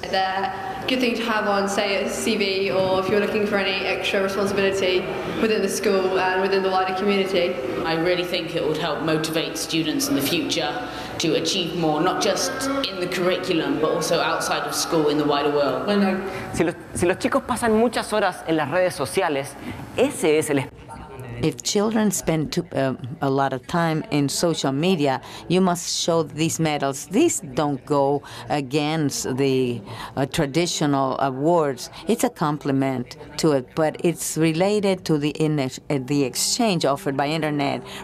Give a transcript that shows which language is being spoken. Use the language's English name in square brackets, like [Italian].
[English] They're a good thing to have on, say, a CV, or if you're looking for any extra responsibility within the school and within the wider community. I really think it would help motivate students in the future to achieve more, not just in the curriculum, but also outside of school in the wider world. [Spanish] Si los chicos pasan muchas horas en las redes sociales, ese es el... [English] If children spend a lot of time in social media, you must show these medals. These don't go against the traditional awards. It's a compliment to it, but it's related to the exchange offered by internet.